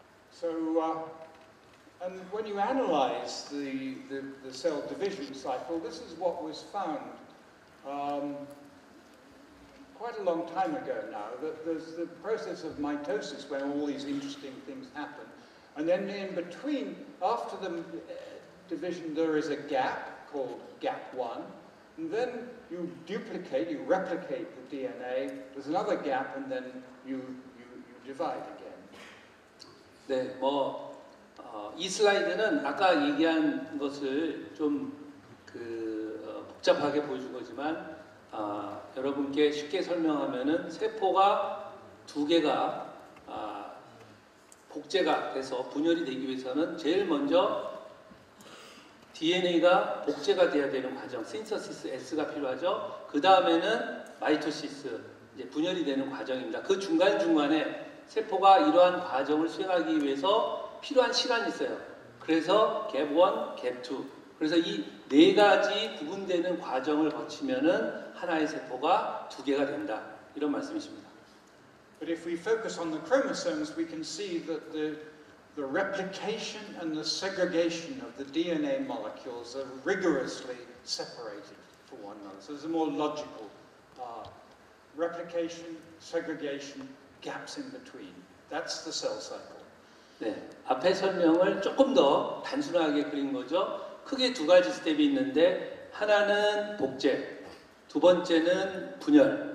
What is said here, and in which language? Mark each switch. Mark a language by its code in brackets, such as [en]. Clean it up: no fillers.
[en] So, And when you analyze the cell division cycle, this is what was found quite a long time ago now, that there's the process of mitosis where all these interesting things happen. And then in between, after the division, there is a gap called gap one. And then you duplicate, you replicate the DNA. There's another gap, and then you divide again. [ko] 네, 뭐. 이 슬라이드는 아까 얘기한 것을 좀 그 복잡하게 보여준 거지만 여러분께 쉽게 설명하면은 세포가 두 개가 복제가 돼서 분열이 되기 위해서는 제일 먼저 DNA가 복제가 돼야 되는 과정, 신터시스 S가 필요하죠. 그 다음에는 마이토시스, 이제 분열이 되는 과정입니다. 그 중간중간에 세포가 이러한 과정을 수행하기 위해서 필요한 시간이 있어요. 그래서 갭 1, 갭 2. 그래서 이 네 가지 구분되는 과정을 거치면은 하나의 세포가 두 개가 된다. 이런 말씀이십니다. [en] But if we focus on the chromosomes, we can see that the replication and the segregation of the DNA molecules are rigorously separated for one another. So it's a more logical replication, segregation, gaps in between. That's the cell cycle. [ko] 네, 앞에 설명을 조금 더 단순하게 그린 거죠. 크게 두 가지 스텝이 있는데 하나는 복제, 두 번째는 분열.